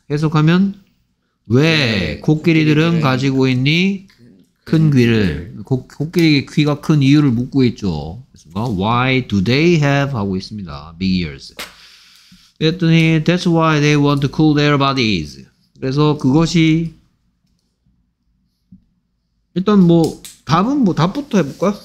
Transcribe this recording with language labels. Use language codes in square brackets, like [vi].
[ko] 해석하면 왜 코끼리들은 가지고 있니 큰 귀를? 코끼리의 귀가 큰 이유를 묻고 있죠. [en] Why do they have [ko] 하고 있습니다. [en] Big ears. [ko] 그랬더니 [en] That's why they want to cool their bodies. [ko] 그래서 그것이 일단 뭐 답은 뭐 답부터 해볼까요?